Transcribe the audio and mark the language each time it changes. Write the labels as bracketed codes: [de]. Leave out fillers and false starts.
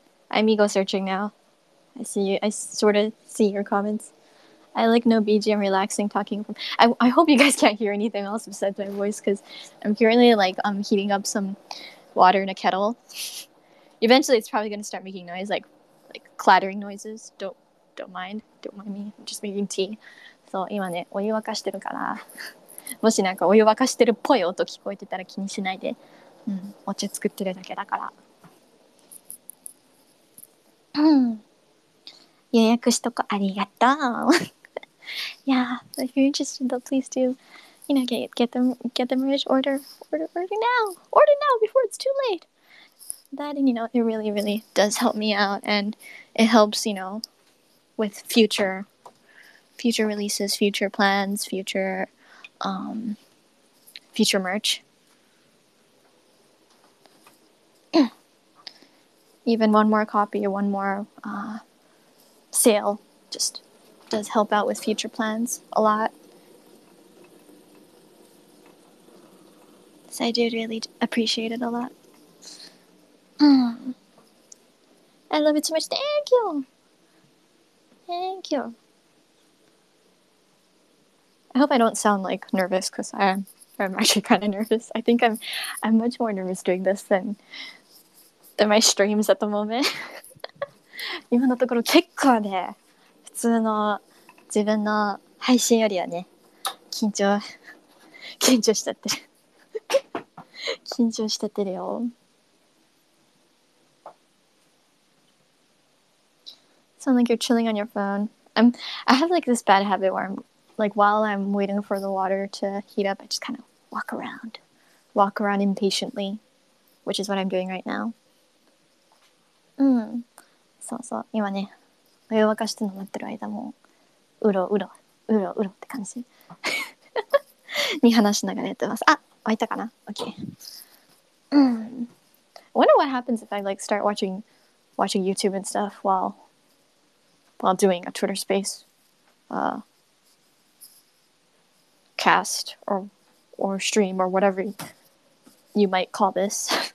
[en] I'm ego searching now. I see you. I sort of see your comments. I like no BGM relaxing talking. I hope you guys can't hear anything else besides my voice because I'm currently like heating up some water in a kettle. Eventually it's probably going to start making noise like clattering noises. Don't mind me. I'm just making tea. [ja] So, 今ね、お湯沸かしてるから。もしなんかお湯沸かしてるっぽい音聞こえてたら気にしないで。うん、お茶作ってるだけだから。予約しとこありがとう。 [en] Yeah, if you're interested, though, please do, you know, get the merch order now before it's too late. That, and you know, it really, really does help me out, and it helps, you know, with future releases, future plans, future merch. Even one more copy, one more sale just does help out with future plans a lot. So I do really appreciate it a lot. I love it so much. Thank you. Thank you. I hope I don't sound like nervous because I'm actually kind of nervous. I think I'm much more nervous doing this than my streams at the moment. [ja] 今のところ結構ね、普通の自分の配信よりはね、緊張しちゃってる。緊張しちゃってるよ。 [en] Sound like you're chilling on your phone. I have like this bad habit where I'm like while I'm waiting for the water to heat up, I just kind of walk around impatiently, which is what I'm doing right now. [ja] そうそう、今ね、お湯沸かしての待ってる間もうろうろうろうろって感じに話しながらやってます。あ、沸いたかな ？OK. [en] Wonder what happens if I like start watching YouTube and stuff while doing a Twitter space cast or stream or whatever you might call this.